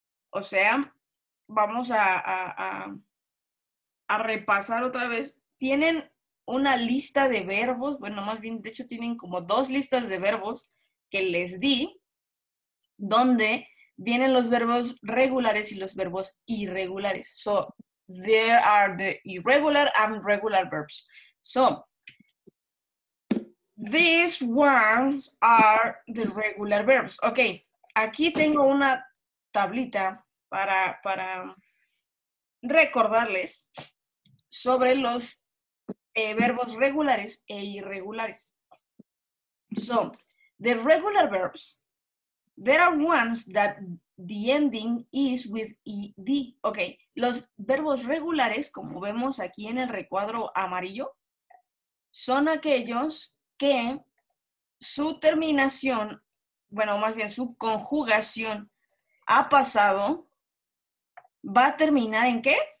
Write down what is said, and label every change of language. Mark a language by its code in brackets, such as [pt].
[es] O sea, vamos a repasar otra vez. Tienen una lista de verbos, bueno, más bien, de hecho, tienen como dos listas de verbos que les di, donde vienen los verbos regulares y los verbos irregulares. [en] So, there are the irregular and regular verbs. So, these ones are the regular verbs. [es] Ok, aquí tengo una tablita para recordarles sobre los verbos regulares e irregulares. [en] So, the regular verbs, there are ones that the ending is with ed. [es] Ok, los verbos regulares, como vemos aquí en el recuadro amarillo, son aquellos que su terminación, bueno, más bien su conjugación a pasado, va a terminar en qué.